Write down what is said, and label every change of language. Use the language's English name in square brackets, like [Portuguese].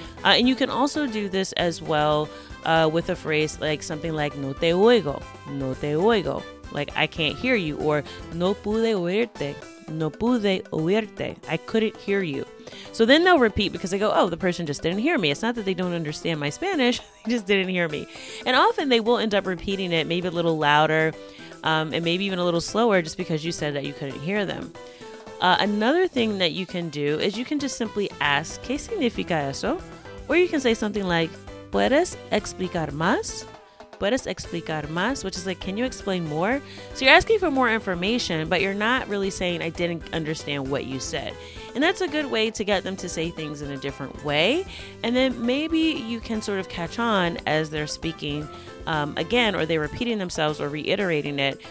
[English] And you can also do this as well with a phrase like something like [Spanish] no te oigo, [English] like I can't hear you, or [Spanish] no pude oírte, [English] I couldn't hear you. So then they'll repeat because they go, oh, the person just didn't hear me. It's not that they don't understand my Spanish, they just didn't hear me. And often they will end up repeating it maybe a little louder and maybe even a little slower just because you said that you couldn't hear them. Another thing that you can do is you can just simply ask, [Spanish] ¿qué significa eso? [English] Or you can say something like, [Spanish] ¿Puedes explicar más? [English] Which is like, can you explain more? So you're asking for more information, but you're not really saying, I didn't understand what you said. And that's a good way to get them to say things in a different way. And then maybe you can sort of catch on as they're speaking again, or they're repeating themselves or reiterating it.